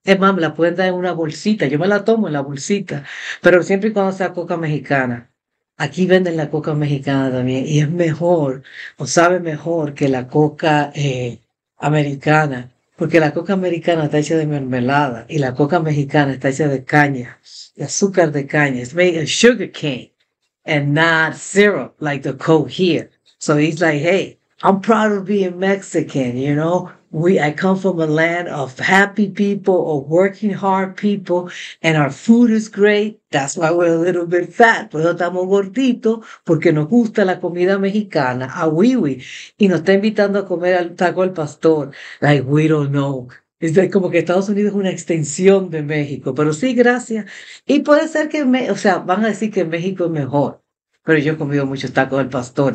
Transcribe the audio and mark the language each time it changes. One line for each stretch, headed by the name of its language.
Spanish: Es más, me la pueden dar en una bolsita, yo me la tomo en la bolsita, pero siempre y cuando sea coca mexicana. Aquí venden la coca mexicana también y es mejor o sabe mejor que la coca americana, porque la coca americana está hecha de mermelada y la coca mexicana está hecha de caña, de azúcar de caña.
English: It's made of sugar cane and not syrup like the coke here. So he's like, hey, I'm proud of being Mexican, you know. I come from a land of happy people, of working hard people, and our food is great. That's why we're a little bit fat.
Spanish: Pero estamos gorditos porque nos gusta la comida mexicana, a Wiwi. Y nos está invitando a comer al taco al pastor.
English: Like, we don't know.
Spanish: Es como que Estados Unidos es una extensión de México. Pero sí, gracias. Y puede ser que, o sea, van a decir que México es mejor. Pero yo he comido muchos tacos del pastor.